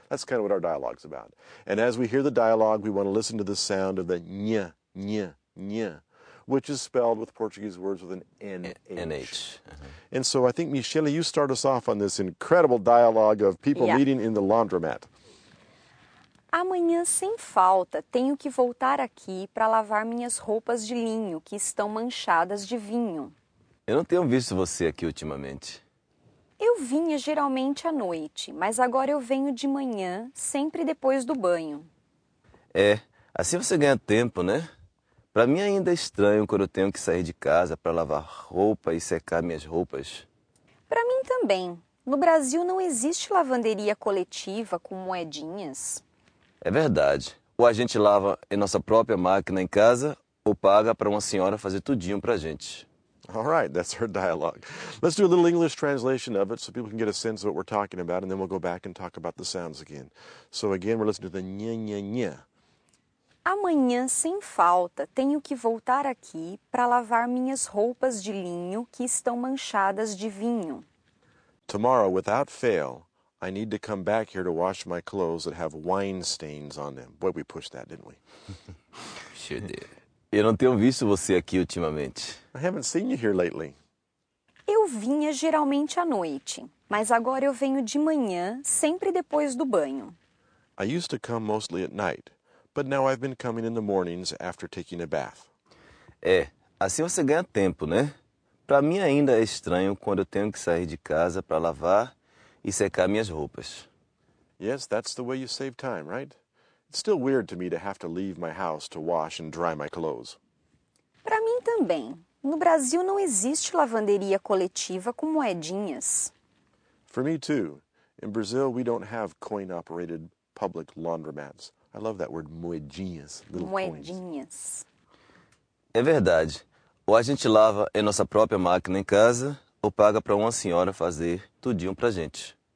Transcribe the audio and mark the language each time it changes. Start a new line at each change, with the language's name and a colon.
English: That's kind of what our dialogue's about. And as we hear the dialogue, we want to listen to the sound of the ñe, ñe, ñe, which is spelled with Portuguese words with an N-H. N-H. Uh-huh. And so I think, Michele, you start us off on this incredible dialogue of people meeting in the laundromat.
Portuguese: Amanhã, sem falta, tenho que voltar aqui para lavar minhas roupas de linho, que estão manchadas de vinho. Eu não tenho visto você aqui ultimamente. Eu vinha geralmente à noite, mas agora eu venho de manhã, sempre depois do banho. É, assim você ganha tempo, né? Para mim ainda é estranho quando eu tenho que sair de casa para lavar roupa e secar minhas roupas. Para mim também. No Brasil não existe lavanderia coletiva com moedinhas. É verdade. Ou a gente lava em nossa própria máquina em casa ou paga para uma senhora fazer tudinho para a gente.
English: All right, that's our dialogue. Let's do a little English translation of it so people can get a sense of what we're talking about, and then we'll go back and talk about the sounds again. So again, we're listening to the nha, nha, nha.
Portuguese: Amanhã, sem falta, tenho que voltar aqui para lavar minhas roupas de linho que estão manchadas de vinho.
English: Tomorrow, without fail, I need to come back here to wash my clothes that have wine stains on them. Boy, we pushed that, didn't we? Sure did.
Portuguese: Eu não tenho visto você aqui ultimamente.
English: I haven't seen you here lately.
Portuguese: Eu vinha geralmente à noite, mas agora eu venho de manhã, sempre depois do banho.
English: I used to come mostly at night. But now I've been coming in the mornings after taking a bath.
Portuguese: É, assim você ganha tempo, né? Para mim ainda é estranho quando eu tenho que sair de casa para lavar e secar minhas roupas.
English: Yes, that's the way you save time, right? It's still weird to me to have to leave my house to wash and dry my clothes.
Portuguese: Para mim também. No Brasil não existe lavanderia coletiva com moedinhas.
English: For me too. In Brazil, we don't have coin-operated public laundromats. I love that word, moedinhas, little
Portuguese: moedinhas.
English: Coins.
Portuguese: É verdade. Ou a gente lava em nossa própria máquina em casa, ou paga para uma senhora fazer tudinho para a gente.